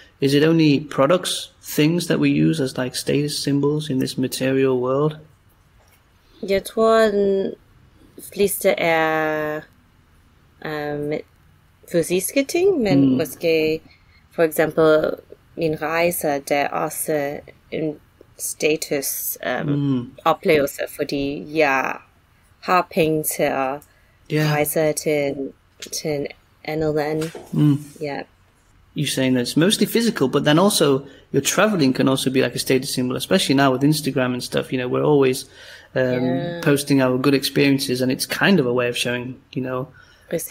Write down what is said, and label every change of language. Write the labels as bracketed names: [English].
[English] Is it only products, things that we use as like status symbols in this material world? [Danish] Jeg tror, den fleste er fysiske ting, men måske, for eksempel, min rejse, der er også en status oplevelse, fordi jeg har penge til at rejse til en andet land. [English] You're saying that it's mostly physical, but then also your traveling can also be like a status symbol, especially now with Instagram and stuff. You know, we're always posting our good experiences, and it's kind of a way of showing, you know, precis.